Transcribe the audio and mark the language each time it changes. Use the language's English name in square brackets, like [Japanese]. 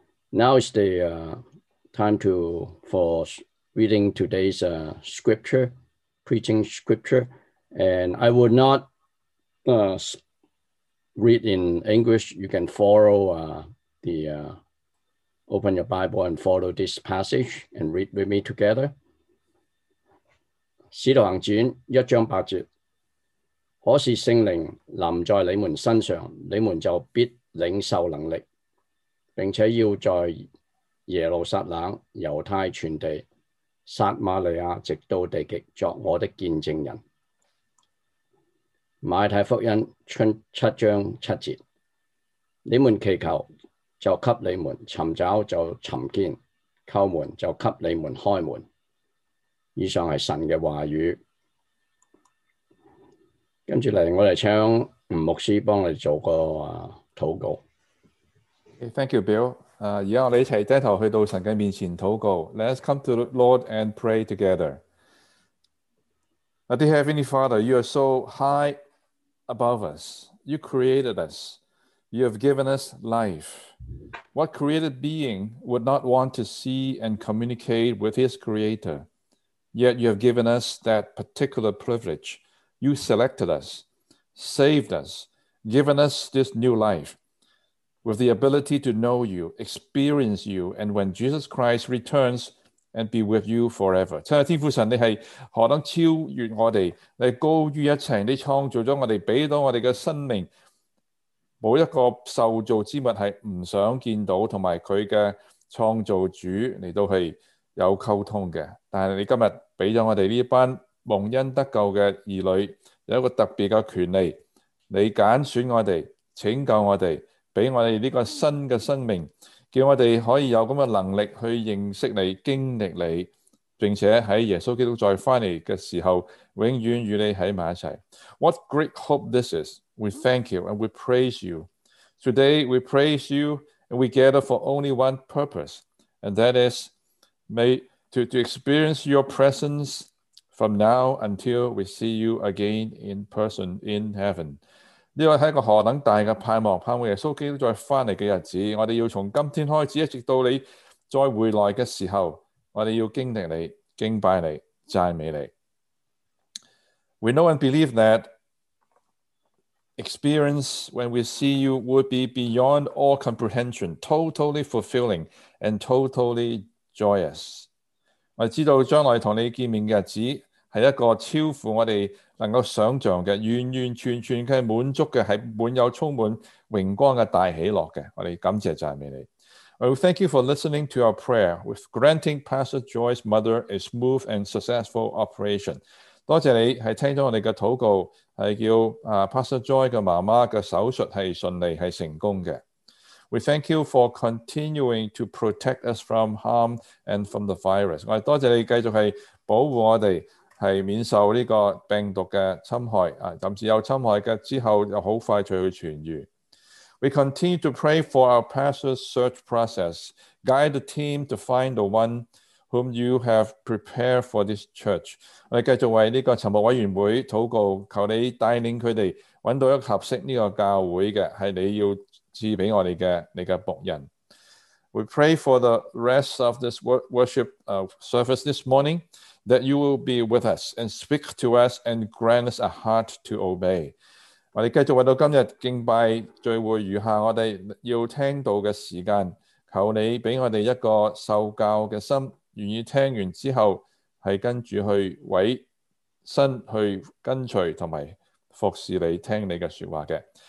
[English] Now is the time to for reading today's scripture, preaching scripture, and I would not read in English. You can follow open your Bible and follow this passage and read with me together. [Chinese] 使徒行传一章八节，可是圣灵临在你们身上，你们就必领受能力，并且要在耶路撒冷、犹太全地、撒玛利亚直到地极作我的见证人。马太福音七章七节，你们祈求就给你们，寻找就寻见，叩门就给你们开门。以上是神的话语。跟着来，我们请吴牧师帮我们做个祷告。 [English] Thank you, Bill. [Chinese] 现在我们一起低头去到神的面前祷告。 [English] Let's come to the Lord and pray together. Dear Heavenly Father, you are so high above us. You created us. You have given us life. What created being would not want to see and communicate with his creator? Yet you have given us that particular privilege. You selected us, saved us, given us this new life. With the ability to know you, experience you, and when Jesus Christ returns and be with you forever. [Chinese] 亲爱的天父神，你是何等超越我们，你高于一切，你创造了我们，给到我们的生命，没一个受造之物是不想见到，还有祂的创造主来到是有沟通的。但是你今天给了我们这班蒙恩得救的儿女，有一个特别的权利，你拣选我们，拯救我们，给我们这个新的生命，叫我们可以有这样的能力去认识你，经历你，并且在耶稣基督再回来的时候，永远与你在一起。 [English] What great hope this is! We thank you and we praise you. Today we praise you and we gather for only one purpose, and that is to experience your presence from now until we see you again in person in heaven. [Chinese] 这个是一个何等大的盼望，盼望耶稣基督再回来的日子，我们要从今天开始，一直到你再回来的时候，我们要经历你，敬拜你，赞美你。 [English] We know and believe that experience when we see you would be beyond all comprehension, totally fulfilling and totally joyous. [Chinese] 我们知道将来和你见面的日子是一个超乎我们能够想象的，完完全全的满足的，是满有充满荣光的大喜乐的。我们感谢赞美你。 [English] We thank you for listening to our prayer with granting Pastor Joy's mother a smooth and successful operation. [Chinese] 多谢你是听了我们的祷告，是叫 Pastor Joy 的妈妈的手术是顺利是成功的。 [English] We thank you for continuing to protect us from harm and from the virus. [Chinese] 我们多谢你继续是保护我们，是免受这个病毒的侵害，甚至有侵害的之后又很快就会痊愈。 [English] We continue to pray for our pastor's search process. Guide the team to find the one whom you have prepared for this church. [Chinese] 我们继续为这个沉默委员会祷告，求你带领他们找到一个合适这个教会的，是你要赐给我们的你的仆人。 [English] We pray for the rest of this worship service this morning. That you will be with us and speak to us and grant us a heart to obey. [Chinese] 我们继续为到今天敬拜聚会余下我们要听到的时间，求你给我们一个受教的心，愿意听完之后是跟着去委身去跟随和服侍你，听你的说话的。